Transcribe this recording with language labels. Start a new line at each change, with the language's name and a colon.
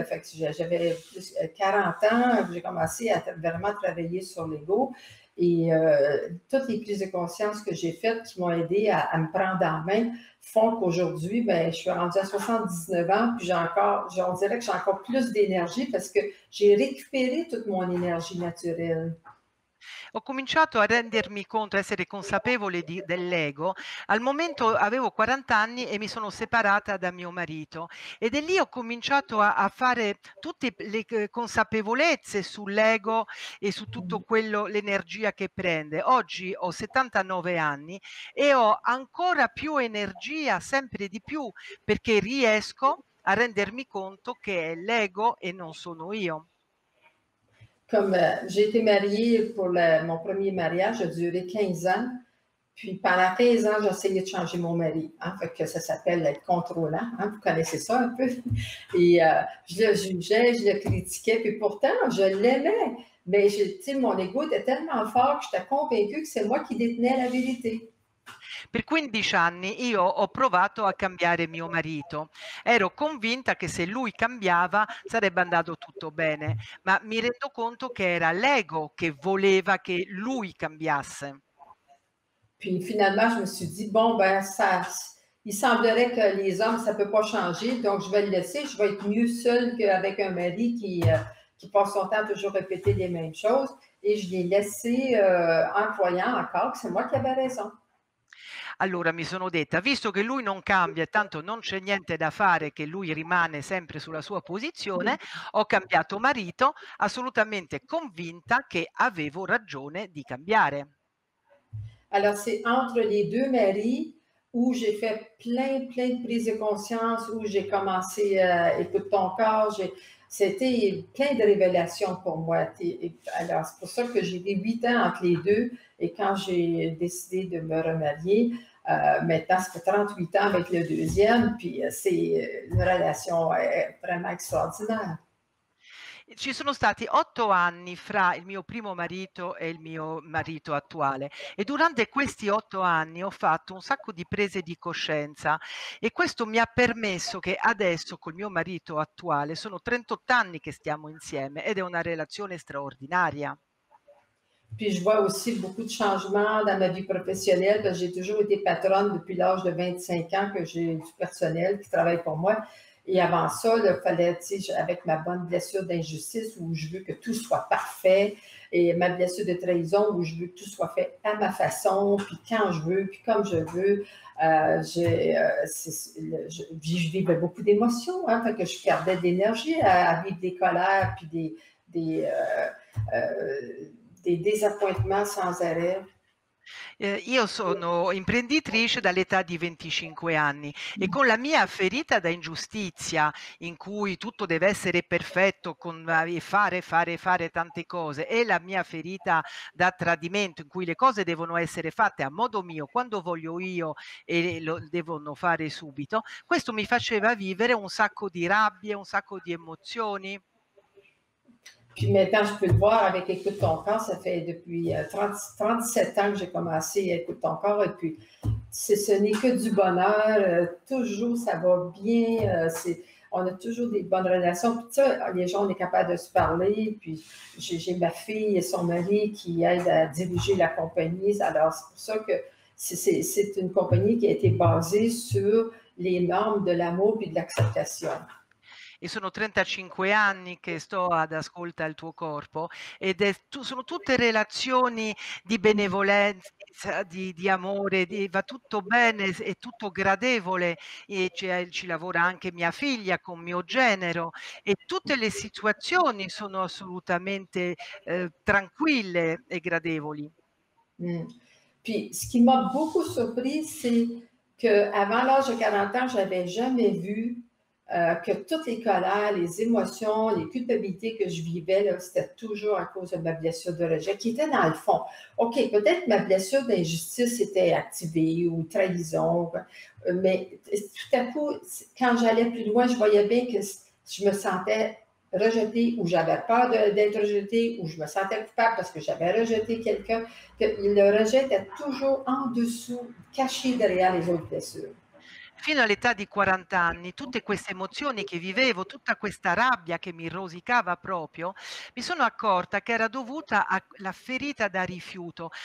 French: Fait que j'avais plus de 40 ans, j'ai commencé à vraiment travailler sur l'ego et toutes les prises de conscience que j'ai faites qui m'ont aidé à me prendre en main font qu'aujourd'hui, ben, je suis rendue à 79 ans, puis on dirait que j'ai encore plus d'énergie parce que j'ai récupéré toute mon énergie naturelle.
Italian: Ho cominciato a rendermi conto, a essere consapevole dell'ego. Al momento avevo 40 anni e mi sono separata da mio marito. Ed è lì ho cominciato a fare tutte le consapevolezze sull'ego e su tutto quello, l'energia che prende. Oggi ho 79 anni e ho ancora più energia, sempre di più, perché riesco a rendermi conto che è l'ego e non sono io.
French: Comme j'ai été mariée pour mon premier mariage, j'ai duré 15 ans, puis pendant 15 ans, j'ai essayé de changer mon mari, hein, fait que ça s'appelle être contrôlant, hein, vous connaissez ça un peu, et je le jugeais, je le critiquais, puis pourtant, je l'aimais, mais tu sais, mon ego était tellement fort que j'étais convaincue que c'est moi qui détenais la vérité.
Italian: Per 15 anni io ho provato a cambiare mio marito. Ero convinta che se lui cambiava sarebbe andato tutto bene, ma mi rendo conto che era l'ego che voleva che lui cambiasse.
French: Puis finalement je me suis dit bon ben ça il semblerait que les hommes ça peut pas changer donc je vais le laisser, je vais être mieux seule qu'avec un mari qui passe son temps toujours répéter les mêmes choses et je l'ai laissé en croyant encore que c'est moi qui avais raison.
Italian: Allora mi sono detta, visto che lui non cambia e tanto non c'è niente da fare, che lui rimane sempre sulla sua posizione, ho cambiato marito assolutamente convinta che avevo ragione di cambiare.
French: Alors c'est entre les deux maris où j'ai fait plein de prises de conscience, où j'ai commencé à écouter ton corps, c'était plein de révélations pour moi. Alors c'est pour ça que j'ai des 8 ans entre les deux. Et quand j'ai décidé de me remarier, maintenant, ça fait 38 ans avec le deuxième, puis c'est une relation vraiment extraordinaire.
Italian: Ci sono stati 8 anni fra il mio primo marito e il mio marito attuale e durante questi 8 anni ho fatto un sacco di prese di coscienza e questo mi ha permesso che adesso col mio marito attuale sono 38 anni che stiamo insieme ed è una relazione straordinaria.
French: Puis je vois aussi beaucoup de changements dans ma vie professionnelle parce que j'ai toujours été patronne depuis l'âge de 25 ans que j'ai du personnel qui travaille pour moi. Et avant ça, il fallait, tu sais, avec ma bonne blessure d'injustice où je veux que tout soit parfait, et ma blessure de trahison où je veux que tout soit fait à ma façon, puis quand je veux, puis comme je veux, je vivais beaucoup d'émotions, hein, fait que je perdais de l'énergie à vivre des colères, puis des désappointements sans arrêt.
Italian: Io sono imprenditrice dall'età di 25 anni e con la mia ferita da ingiustizia, in cui tutto deve essere perfetto, con fare tante cose, e la mia ferita da tradimento, in cui le cose devono essere fatte a modo mio, quando voglio io e lo devono fare subito, questo mi faceva vivere un sacco di rabbia, un sacco di emozioni.
French: Puis maintenant, je peux te voir avec Écoute ton corps. Ça fait depuis 37 ans que j'ai commencé Écoute ton corps. Et puis, ce n'est que du bonheur. Toujours, ça va bien. On a toujours des bonnes relations. Puis, tu sais, les gens, on est capable de se parler. Puis, j'ai ma fille et son mari qui aident à diriger la compagnie. Alors, c'est pour ça que c'est une compagnie qui a été basée sur les normes de l'amour puis de l'acceptation.
Italian: E sono 35 anni che sto ad ascolta il tuo corpo, ed è sono tutte relazioni di benevolenza, di amore, va tutto bene, è tutto gradevole, e ci lavora anche mia figlia con mio genero, e tutte le situazioni sono assolutamente tranquille e gradevoli.
French: Puis, ce qui m'ha beaucoup surpris, c'est que avant l'âge de 40 ans, j'avais jamais vu que toutes les colères, les émotions, les culpabilités que je vivais, là, c'était toujours à cause de ma blessure de rejet, qui était dans le fond. OK, peut-être ma blessure d'injustice était activée ou trahison, mais tout à coup, quand j'allais plus loin, je voyais bien que je me sentais rejetée ou j'avais peur d'être rejetée ou je me sentais coupable parce que j'avais rejeté quelqu'un. Que le rejet était toujours en dessous, caché derrière les autres blessures.
Italian: Fino all'età di 40 anni, tutte queste emozioni che vivevo, tutta questa rabbia che mi rosicava proprio, mi sono accorta che era dovuta alla ferita da rifiuto.